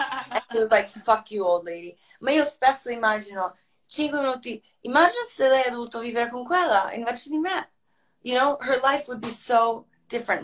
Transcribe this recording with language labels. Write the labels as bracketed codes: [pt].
[en] And he was like, fuck you, old lady. [it] Ma io spesso immagino, 5 minuti, immagino se lei ha dovuto vivere con quella invece di me. [en] You know, her life would be so different.